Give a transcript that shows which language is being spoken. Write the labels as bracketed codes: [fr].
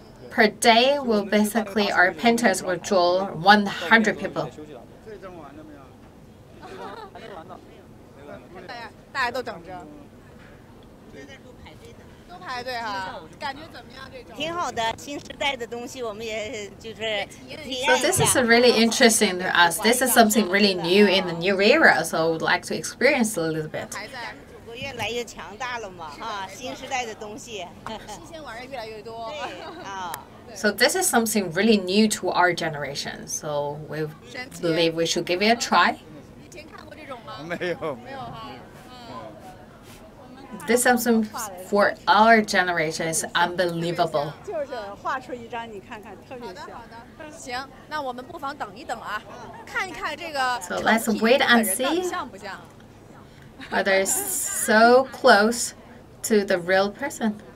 [en] Per day, we'll basically, our painters will draw 100 people. [zh] 大家都等着，都排队哈，感觉怎么样？这种挺好的，新时代的东西，我们也就是。 [en] So this is a really interesting to us. This is something really new in the new era. So I would like to experience a little bit. [zh] 越来越强大了嘛，哈，新时代的东西，新鲜玩意越来越多。 [en] So this is something really new to our generation. So we believe we should give it a try. [zh] 以前看过这种吗？没有，没有哈。 [en] This is something for our generation is unbelievable. [zh] 就是画出一张，你看看，特别像。好的，好的。行，那我们不妨等一等啊，看一看这个。 [en] So let's wait and see. [zh] 像不像？ [en] But it's so close to the real person.